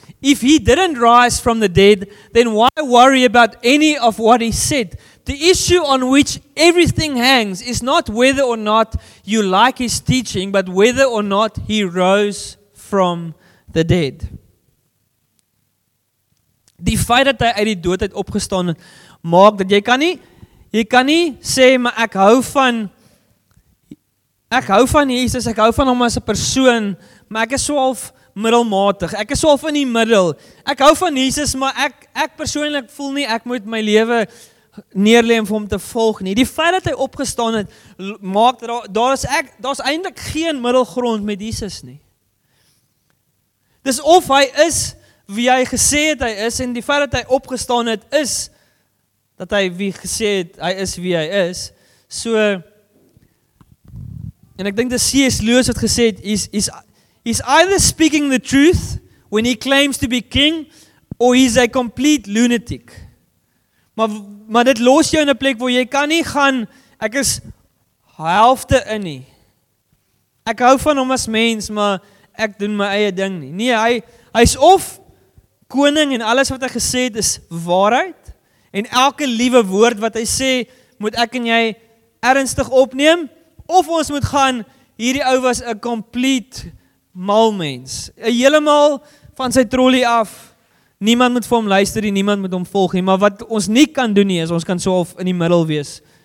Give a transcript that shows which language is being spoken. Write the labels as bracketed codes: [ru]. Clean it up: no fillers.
[en] If he didn't rise from the dead, then why worry about any of what he said? The issue on which everything hangs is not whether or not you like his teaching, but whether or not he rose from the dead. [af] Die feit dat hy uit die doodheid opgestaan het, maak dat jy kan nie sê, maar ek hou van Jesus, ek hou van hom as 'n persoon, maar ek is so half middelmatig, ek is so half in die middel. Ek hou van Jesus, maar ek persoonlik voel nie ek moet my lewe neerlê om vir hom te volg nie. Die feit dat hy opgestaan het, maak daar is eintlik geen middelgrond met Jesus nie. Dis of hy is wie hy gesê het hy is, en die feit dat hy opgestaan het is, dat hy wie gesê het, hy is wie hy is. So, en ek dink dat C.S. [en] Lewis [af] het gesê, [en] he's either speaking the truth, when he claims to be king, or he's a complete lunatic. [af] Maar dit los jou in 'n plek, waar jy kan nie gaan, ek is helfte in nie. Ek hou van hom as mens, maar ek doen my eie ding nie. Nee, hy is of koning, en alles wat hy gesê het is waarheid, en elke liewe woord wat hy sê, moet ek en jy ernstig opneem, of ons moet gaan, hierdie ou was [en] a complete [af] mal mens, a helemaal van sy trolley af, niemand moet vir hom luister, niemand moet hom volg nie, maar wat ons nie kan doen nie, is ons kan so of in die middel wees,